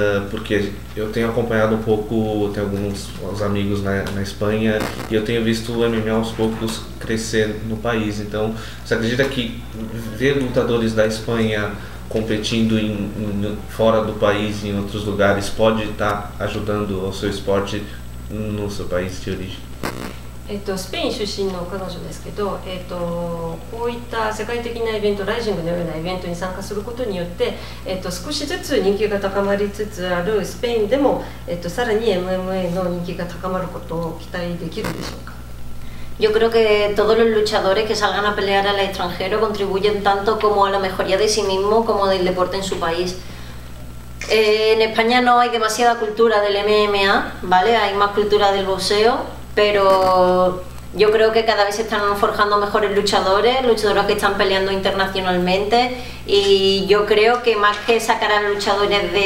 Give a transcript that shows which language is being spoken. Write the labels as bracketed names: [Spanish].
[Portuguese] Porque eu tenho acompanhado um pouco, tenho alguns amigos na Espanha, e eu tenho visto o MMA aos poucos crescer no país. Então, você acredita que ver lutadores da Espanha competindo fora do país, em outros lugares, pode estar ajudando o seu esporte no seu país de origem? [Japanese] スペイン出身の彼女ですけど、こういった世界的なイベントライジングのようなイベントに参加することによって、少しずつ人気が高まりつつあるスペインでも、さらに MMA の人気が高まることを期待できるでしょうか。 [Spanish] Yo creo que todos los luchadores que salgan a pelear al extranjero contribuyen tanto como a la mejoría de sí mismo como del deporte en su país. En España no hay demasiada cultura del MMA, ¿vale? Hay más cultura del boxeo. Pero yo creo que cada vez se están forjando mejores luchadores, luchadores que están peleando internacionalmente, y yo creo que más que sacar a luchadores de...